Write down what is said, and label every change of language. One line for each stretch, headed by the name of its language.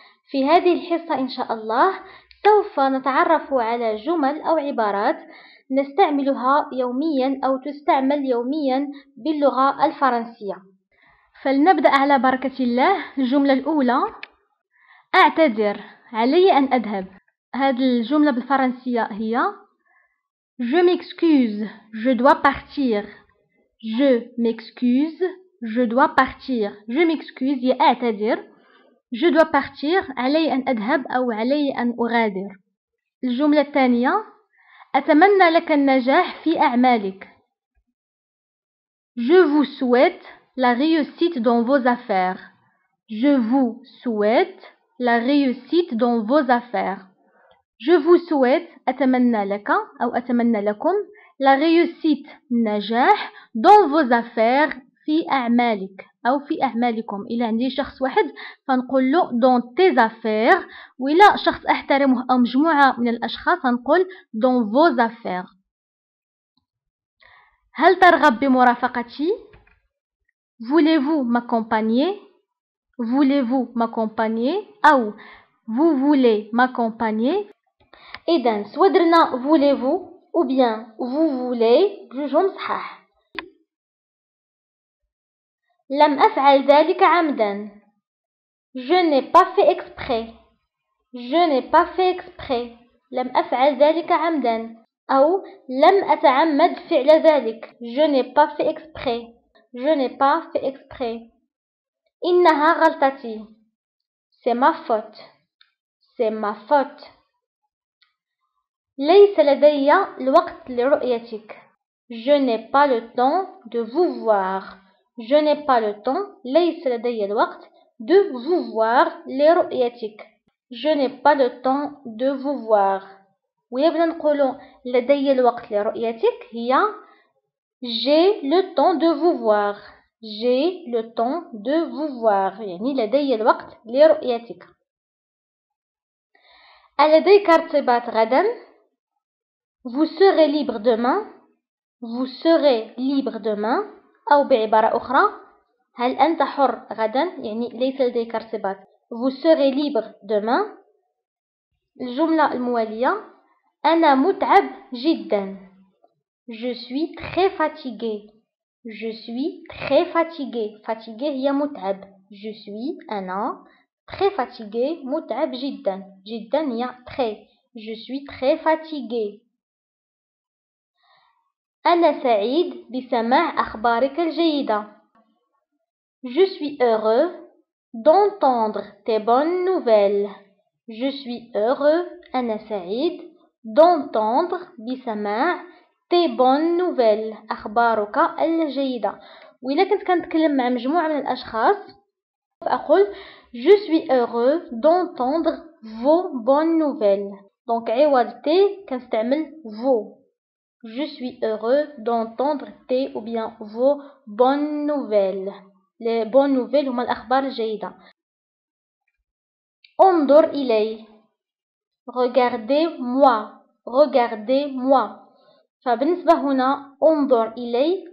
Arabic: في هذه الحصة إن شاء الله سوف نتعرف على جمل أو عبارات نستعملها يوميا أو تستعمل يوميا باللغة الفرنسية. فلنبدأ على بركة الله. الجملة الأولى: أعتذر، علي أن أذهب. هذه الجملة بالفرنسية هي
French: Je m'excuse, je dois partir. Je m'excuse, je dois partir. Je m'excuse, c'est-à-dire je dois partir,
Arabic: علي أن أذهب أو علي أن أغادر. الجملة الثانية: أتمنى لك النجاح في أعمالك.
French: Je vous souhaite la réussite dans vos affaires. Je vous souhaite la réussite dans vos affaires. Je vous souhaite,
Arabic: أتمنى لك أو أتمنى لكم
French: la réussite,
Arabic: النجاح
French: dans vos affaires,
Arabic: في أعمالك أو في أعمالكم. إلى عندي شخص واحد فنقول له
French: dans tes affaires،
Arabic: وإلى شخص أحترمه أو مجموعة من الأشخاص فنقول
French: dans vos affaires.
Arabic: هل ترغب بمرافقتي؟
French: Voulez-vous m'accompagner؟ Voulez-vous m'accompagner؟ أو vous voulez m'accompagner؟
Arabic: إذن سوا درنا
French: voulez-vous ou bien vous voulez
Arabic: جوجهم صحاح. لم أفعل ذلك عمدا.
French: Je n'ai pas fait exprès. Je n'ai pas fait exprès.
Arabic: لم أفعل ذلك عمدا أو لم أتعمد فعل ذلك.
French: Je n'ai pas fait exprès. Je n'ai pas fait exprès.
Arabic: إنها غلطتي.
French: C'est ma faute. C'est ma faute.
Arabic: ليس لدي الوقت لرؤيتك.
French: Je n'ai pas le temps de vous voir. Je n'ai pas le temps.
Arabic: ليس لدي الوقت
French: de vous voir
Arabic: لرؤيتك.
French: Je n'ai pas le temps de vous voir.
Arabic: ويبدأ نقول لدي الوقت لرؤيتك هي
French: j'ai le temps de vous voir. J'ai le temps de vous voir.
Arabic: يعني لدي الوقت لرؤيتك. ألدي كارت بات غدا؟
French: Vous serez libre demain. Vous serez libre demain.
Arabic: أو بعبارة أخرى هل أنت حر غدا؟ يعني ليس لديك ارتباط.
French: Vous serez libre demain.
Arabic: الجملة الموالية: أنا متعب جدا.
French: Je suis très fatigué. Je suis très fatigué.
Arabic: Fatigué هي متعب.
French: Je suis
Arabic: أنا
French: très fatigué.
Arabic: متعب جدا. جدا هي
French: très. Je suis très fatigué.
Arabic: أنا سعيد بسماع أخبارك الجيدة.
French: Je suis heureux d'entendre tes bonnes nouvelles. Je suis heureux,
Arabic: أنا سعيد,
French: d'entendre
Arabic: بسماع
French: tes bonnes nouvelles.
Arabic: أخبارك الجيدة. وإذا كنت كنتكلم مع مجموعة من الأشخاص فأقول
French: Je suis heureux d'entendre vos bonnes nouvelles.
Arabic: دونك عوض تي كنستعمل vos.
French: Je suis heureux d'entendre tes ou bien vos bonnes nouvelles. Les bonnes nouvelles ou
Arabic: mal akhbar jayda. Ondor ilay.
French: Regardez-moi. Regardez-moi.
Arabic: Fabinisba huna, ondor ilay.